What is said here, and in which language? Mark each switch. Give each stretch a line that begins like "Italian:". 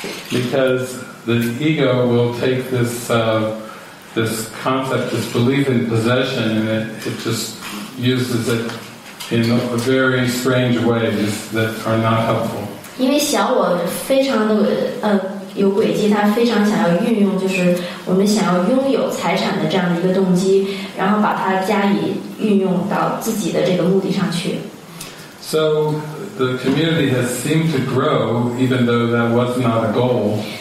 English: Because the ego will take this concept, this belief in possession, and it just uses it in a very strange ways that are not helpful.
Chinese: 因为小我非常的有诡计，他非常想要运用，就是我们想要拥有财产的这样的一个动机，然后把它加以运用到自己的这个目的上去。
English: So the community has seemed to grow, even though that was not a goal.